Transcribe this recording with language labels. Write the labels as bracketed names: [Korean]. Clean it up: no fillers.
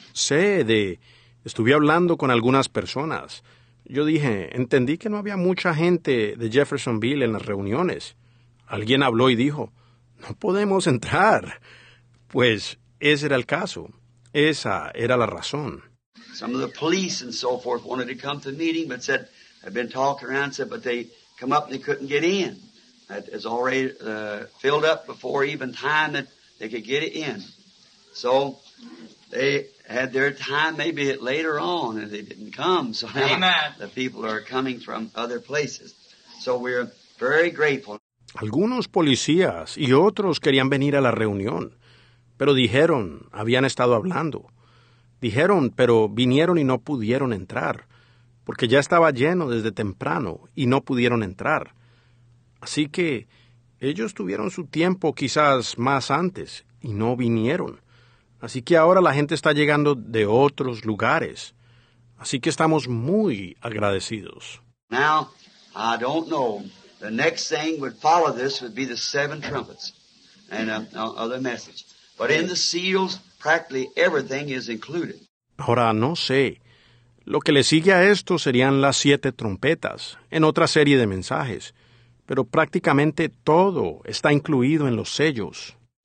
[Spanish] Sé de, estuve hablando con algunas personas. Yo dije, entendí que no había mucha gente de Jeffersonville en las reuniones. Alguien habló y dijo, no podemos entrar. Pues ese era el caso. Esa era la razón. [English] Some of the police and so forth wanted to come to the meeting, but said, I've been talking around, said, but they come up and they couldn't get in. That is already filled up before even time that they could get in. So they had their time maybe later on and they didn't come. So now Amen. The people are coming from other places. So we're very grateful. [Spanish] Algunos policías y otros querían venir a la reunión, pero dijeron, habían estado hablando. Dijeron, pero vinieron y no pudieron entrar, porque ya estaba lleno desde temprano y no pudieron entrar. Así que ellos tuvieron su tiempo quizás más antes y no vinieron. Así que ahora la gente está llegando de otros lugares. Así que estamos muy agradecidos. [English] Now, I don't know. The next thing would follow this would be the seven trumpets and other message. But in the seals, practically everything is included. [Spanish] Ahora, no sé. Lo que le sigue a esto serían las siete trompetas en otra serie de mensajes, pero prácticamente todo está incluido en los sellos.